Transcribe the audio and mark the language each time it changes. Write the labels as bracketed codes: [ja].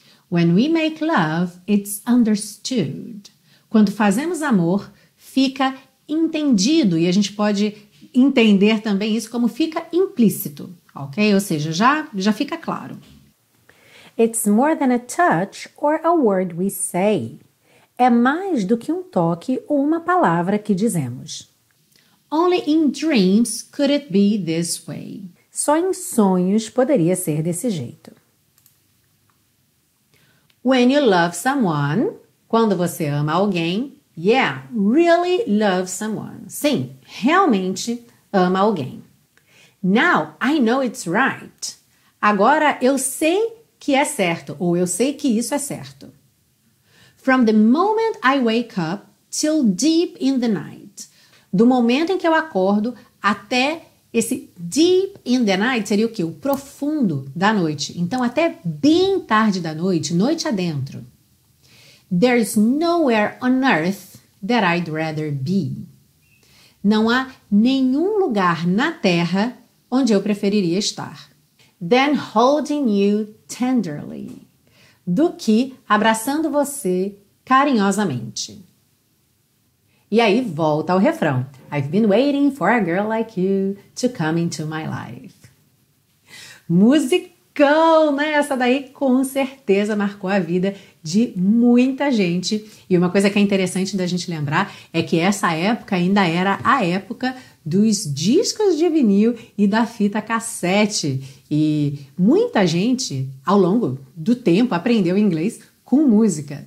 [en] When we make love, it's understood. [pt] Quando fazemos amor, fica entendido e a gente pode entender também isso como fica implícito. Ok? Ou seja, já fica claro. [en] It's more than a touch or a word we say. [pt] É mais do que um toque ou uma palavra que dizemos. [en] Only in dreams could it be this way. [pt] Só em sonhos poderia ser desse jeito. [en] When you love someone, [pt] quando você ama alguém, [en] yeah, really love someone. [pt] Sim, realmente ama alguém. [en] Now I know it's right. [pt] Agora eu sei que é certo, ou eu sei que isso é certo. [en] From the moment I wake up till deep in the night. [pt] Do momento em que eu acordo até esse [en] deep in the night [pt] seria o quê? O profundo da noite. Então, até bem tarde da noite, noite adentro. [en] There's nowhere on earth that I'd rather be. [pt] Não há nenhum lugar na Terra onde eu preferiria estar. [en] Than holding you tenderly. [pt] Do que abraçando você carinhosamente. E aí volta ao refrão. [en] I've been waiting for a girl like you to come into my life. [pt] Musicão, né? Essa daí com certeza marcou a vida de muita gente. E uma coisa que é interessante da gente lembrar é que essa época ainda era a época dos discos de vinil e da fita cassete. E muita gente, ao longo do tempo, aprendeu inglês com música.